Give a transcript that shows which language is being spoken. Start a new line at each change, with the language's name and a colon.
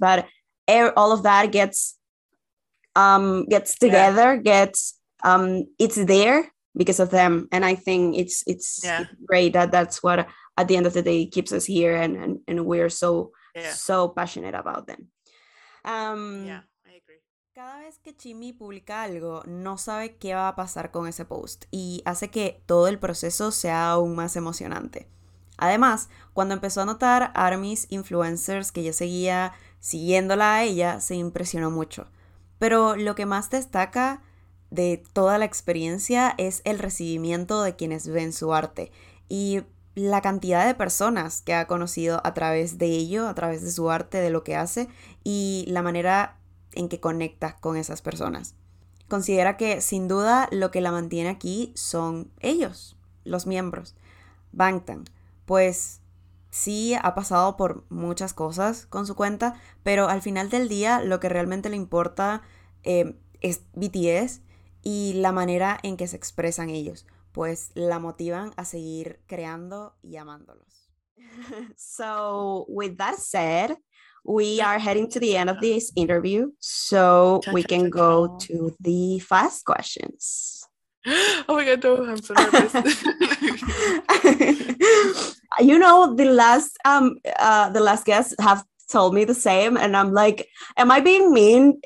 English: But all of that gets together, yeah. It's there because of them. And I think it's yeah. great that's what at the end of the day keeps us here, and we're so so passionate about them. Yeah, I agree.
Spanish: Cada vez que Chimmy publica algo, no sabe qué va a pasar con ese post, y hace que todo el proceso sea aún más emocionante. Además, cuando empezó a notar armies influencers que ya seguía siguiéndola a ella, se impresionó mucho. Pero lo que más destaca de toda la experiencia es el recibimiento de quienes ven su arte y la cantidad de personas que ha conocido a través de ello, a través de su arte, de lo que hace, y la manera en que conectas con esas personas. Considera que, sin duda, lo que la mantiene aquí son ellos, los miembros. Bangtan, pues sí ha pasado por muchas cosas con su cuenta, pero al final del día lo que realmente le importa es BTS y la manera en que se expresan ellos, pues la motivan a seguir creando y amándolos.
English: So, with that said, we are heading to the end of this interview, so we can go to the fast questions. Oh my god, no, I'm so nervous. You know, the last guests have told me the same, and I'm like, am I being mean?